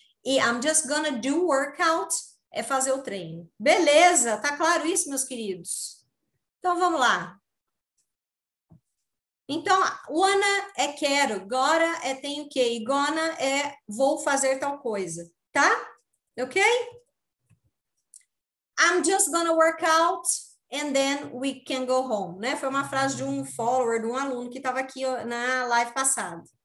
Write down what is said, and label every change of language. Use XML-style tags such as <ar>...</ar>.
<pt>E</pt> <en>I'm just gonna do workout,</en> <pt>é fazer o treino. Beleza, tá claro isso, meus queridos? Então, vamos lá. Então, wanna é quero, gotta é tenho que, e gonna é vou fazer tal coisa, tá? Ok?</pt> <en>I'm just gonna work out and then we can go home, né?</en> <pt>Foi uma frase de um follower, de um aluno que estava aqui na live passada.</pt>